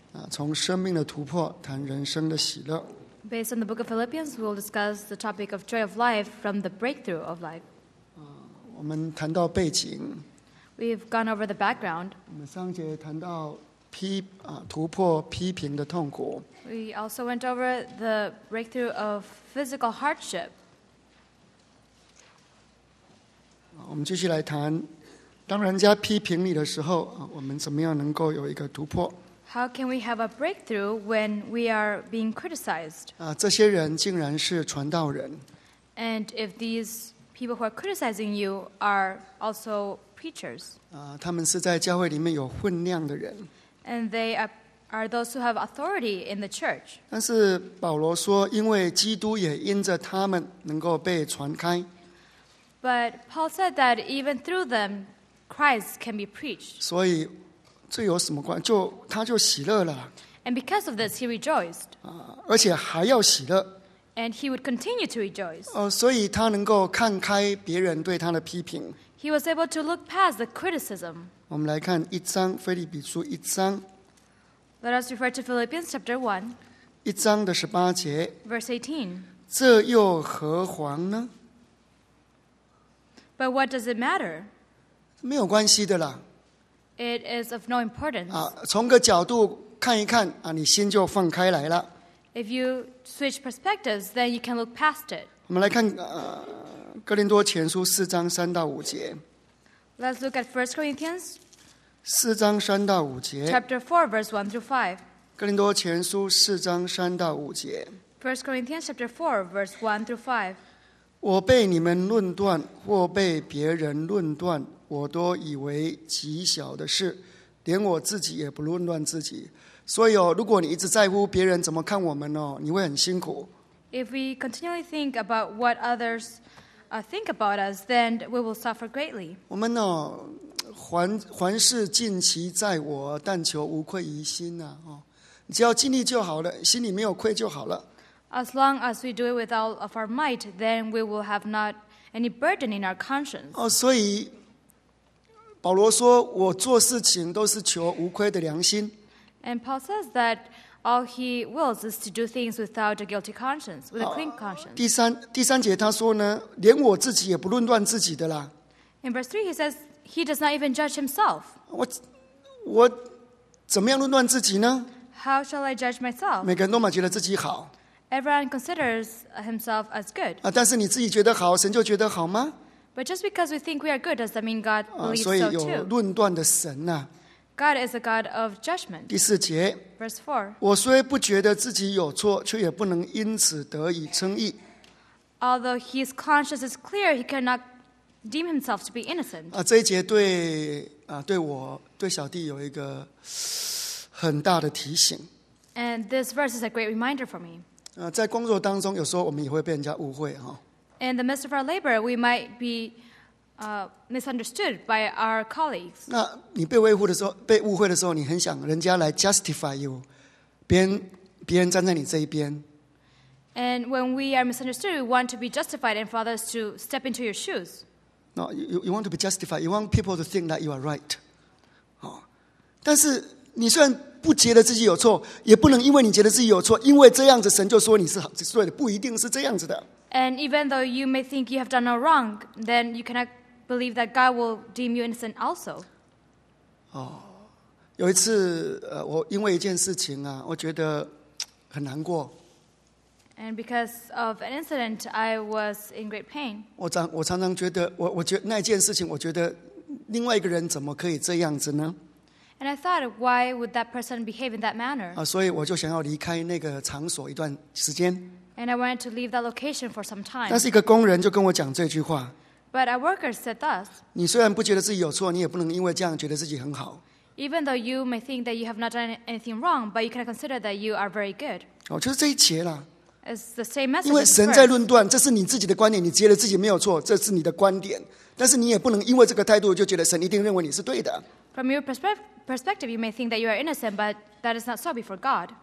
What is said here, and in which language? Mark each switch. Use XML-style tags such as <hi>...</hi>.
<zh>从生命的突破谈人生的喜乐。</zh> <en>Based on the book of Philippians, we'll discuss the topic of joy of life from the breakthrough of life.</en> <zh>我们谈到背景。</zh> <en>We've gone over the background.</en> <zh>我们上节谈到突破批评的痛苦。</zh> <en>We also went over the breakthrough of physical hardship.</en> <zh>我们继续来谈，当人家批评你的时候，我们怎么样能够有一个突破？</zh> <en>How can we have a breakthrough when we are being criticized?</en> <zh>这些人竟然是传道人。</zh> <en>And if these people who are criticizing you are also preachers.</en> <zh>他们是在教会里面有分量的人。</zh> <en>And they are those who have authority in the church.</en> <zh>但是保罗说，因为基督也因着他们能够被传开。</zh> <en>But Paul said that even through them, Christ can be preached.</en> <zh>所以这有什么关？就他就喜乐了。</zh> <en>And because of this, he rejoiced.</en> <zh>而且还要喜乐。</zh> <en>And he would continue to rejoice.</en> <zh>所以他能够看开别人对他的批评。</zh> <en>He was able to look past the criticism.</en> <zh>我们来看一章，腓立比书一章。</zh> <en>Let us refer to Philippians chapter 1.</en> <zh>一章的十八节。</zh> <en>Verse 18.</en> <zh>这又何妨呢？</zh> <en>But what does it matter?</en> <zh>没有关系的啦。</zh> <en>It is of no importance.</en> <zh>从个角度看一看，你心就放开来了。</zh> <en>If you switch perspectives, then you can look past it.</en> <zh>我们来看哥林多前书四章三到五节。</zh> <en>Let's look at 1 Corinthians.</en> <zh>四章三到五节。</zh> <en>Chapter 4, verse 1 through 5.</en> <zh>哥林多前书四章三到五节。</zh> <en>1 Corinthians chapter 4, verse 1 through 5.</en> <zh>我被你们论断，或被别人论断。我都以为极小的事，连我自己也不论断自己。所以，如果你一直在乎别人怎么看我们，你会很辛苦。</zh> <en>If we continually think about what others think about us, then we will suffer greatly.</en> <zh>我们呢，凡事尽其在我，但求无愧于心呐。你只要尽力就好了，心里没有愧就好了。</zh> <en>As long as we do it with all of our might, then we will have not any burden in our conscience.</en> <zh>所以保罗说，我做事情都是求无愧的良心。</zh> <en>And Paul says that all he wills is to do things without a guilty conscience, with a clean conscience.</en> <zh>第三节他说呢，连我自己也不论断自己的啦。</zh> <en>In verse 3 he says he does not even judge himself.</en> <zh>我怎么样论断自己呢？</zh> <en>How shall I judge myself?</en> <zh>每个人都觉得自己好。</zh> <en>Everyone considers himself as good.</en> <zh>但是你自己觉得好，神就觉得好吗？</zh> <en>But just because we think we are good, does that mean God believes so too?</en> <zh>所以有论断的神呐。</zh> <en>God is a God of judgment.</en> <zh>第四节。</zh> <en>Verse 4.</en> <zh>我虽不觉得自己有错，却也不能因此得以称义。</zh> <en>Although his conscience is clear, he cannot deem himself to be innocent.</en> <zh>这一节对我对小弟有一个很大的提醒。</zh> <en>And this verse is a great reminder for me.</en> <zh>在工作当中，有时候我们也会被人家误会哈。</zh> <en>In the midst of our labor, we might be misunderstood by our colleagues.</en> <zh>那你被误会的时候，你很想人家来</zh> <en>justify you，</en> <zh>别人站在你这一边。</zh> <en>And when we are misunderstood, we want to be justified and for others to step into your shoes. No, you want to be justified. You want people to think that you are right.</en> <zh>但是你虽然不觉得自己有错，也不能因为你觉得自己有错，因为这样子神就说你是对的，不一定是这样子的。</zh> <en>And even though you may think you have done no wrong, then you cannot believe that God will deem you innocent also.</en> <zh>有一次，我因为一件事情啊，我觉得很难过。</zh> <en>And because of an incident, I was in great pain.</en> <zh>我常常觉得，我觉得那件事情，我觉得另外一个人怎么可以这样子呢？</zh> <en>And I thought, why would that person behave in that manner?</en> <zh>所以我就想要离开那个场所一段时间。</zh> <en>And I wanted to leave that location for some time.</en> <zh>但是一个工人就跟我讲这句话。</zh> <en>But a worker said thus.</en> <zh>你虽然不觉得自己有错，你也不能因为这样觉得自己很好。</zh> <en>Even though you may think that you have not done anything wrong, but you cannot consider that you are very good.</en> <zh>就是这一节啦。</zh> <en>It's the same message.</en> <zh>因为神在论断，这是你自己的观点，你觉得自己没有错，这是你的观点。但是你也不能因为这个态度就觉得神一定认为你是对的。</zh> <en>From your perspective, you may think that you are innocent, but that is not so before God.</en>